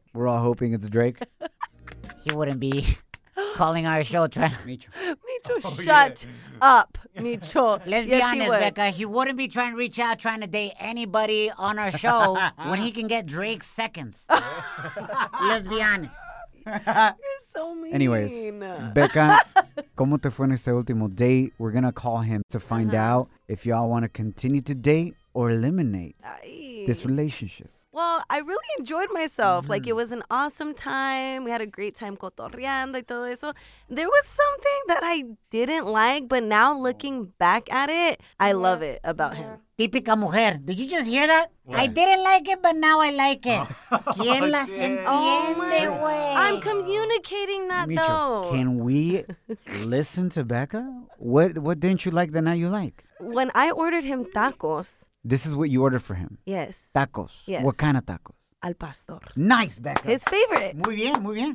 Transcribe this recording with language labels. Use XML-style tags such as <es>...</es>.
<en>We're all hoping it's Drake. He wouldn't be calling our show. Micho. Micho, shut up, Micho. Let's be honest, Becca. He wouldn't be trying to reach out, trying to date anybody on our show when he can get Drake's seconds. Let's be honest. You're so mean. Anyways,</en> <es>Becca, ¿cómo te fue en este último date?</es> <en>We're going to call him to find out if y'all want to continue to date or eliminate this relationship. well, I really enjoyed myself. Mm-hmm. Like, it was an awesome time. We had a great time</en> <es>cotorreando y todo eso.</es> <en>There was something that I didn't like, but now looking back at it, I love it about him.</en> <es>Típica mujer.</es> <en>Did you just hear that? What? I didn't like it, but now I like it.</en> <es>¿Quién las entiende, güey?</es> <en>I'm communicating that, Micho, though. Can we listen to Becca? What didn't you like that now you like? When I ordered him tacos. This is what you ordered for him? Yes. Tacos. Yes. What kind of tacos?</en> <es>Al pastor.</es> <en>Nice, Becca. His favorite.</en> <es>Muy bien, muy bien.</es>